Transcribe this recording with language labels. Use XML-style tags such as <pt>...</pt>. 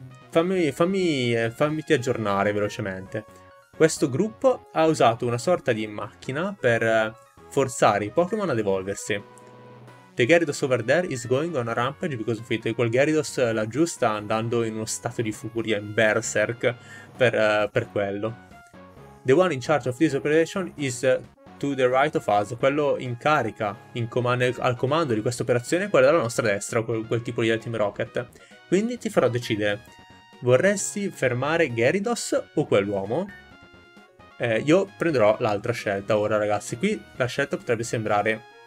<it>Fammi aggiornare velocemente. Questo gruppo ha usato una sorta di macchina per forzare i Pokémon ad evolversi.</it> <en>The Gyarados over there is going on a rampage because of it.</en> <it>Quel Gyarados laggiù sta andando in uno stato di furia, in berserk, per quello.</it> <en>The one in charge of this operation is to the right of us.</en> <it>Quello in carica, al comando di questa operazione, è quello della nostra destra, quel tipo di Team Rocket. Quindi ti farò decidere. Vorresti fermare Gyarados o quell'uomo? Io prenderò l'altra scelta ora, ragazzi. Qui la scelta potrebbe sembrare...</it>